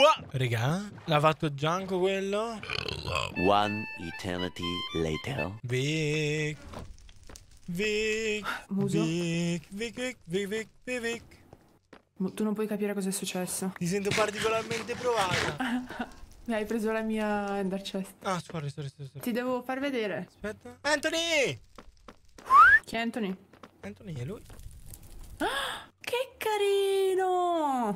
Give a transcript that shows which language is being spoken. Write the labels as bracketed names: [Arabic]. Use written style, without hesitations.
[Italian] Regà, l'ha fatto Gianco quello? [English] One eternity later. [Italian] Vic. Vic, Vic, Vic, Vic, Vic, Vic, Vic, Vic. Tu non puoi capire cosa è successo. Ti sento particolarmente provata. Mi hai preso la mia Ender Chest. Ah, scorri, scorri, scorri. Ti devo far vedere. Aspetta. Anthony! Chi è Anthony? Anthony è lui. Che carino!